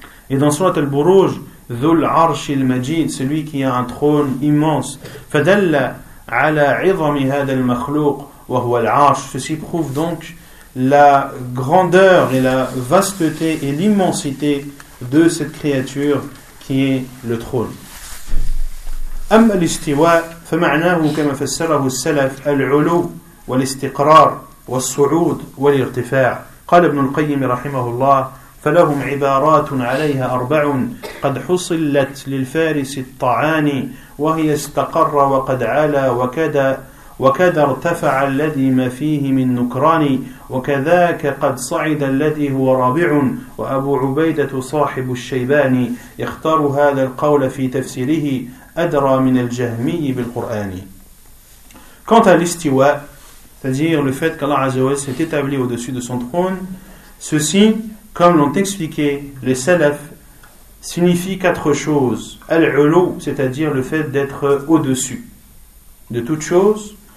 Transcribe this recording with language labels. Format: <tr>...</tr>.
<fr>Et dans Surat al-Buruj,</fr> <ar>Dhul Arsh al-Majid,</ar> <fr>celui qui a un trône immense.</fr> <ar>Fadalla ala idhami hadha al-makhluq, wa huwa al-Arsh.</ar> <fr>Ceci prouve donc la grandeur et la vasteté et l'immensité de cette créature qui est le trône.</fr> <ar>أما الاستواء فمعناه كما فسره السلف العلو والاستقرار والصعود والارتفاع قال ابن القيم رحمه الله فلهم عبارات عليها أربع قد حصلت للفارس الطعاني وهي استقر وقد علا وكذا ارتفع الذي ما فيه من نكران وكذاك قد صعد الذي هو رابع وأبو عبيدة صاحب الشيباني يختار هذا القول في تفسيره Adra min al-jahmi bil Qur'ani.</ar> <fr>Quant à l'istiwa, c'est-à-dire le fait qu'Allah Azza wa Jalla s'est établi au-dessus de son trône, ceci, comme l'ont expliqué les salafs, signifie quatre choses. Al-ulu, c'est-à-dire le fait d'être au-dessus de toute chose.</fr>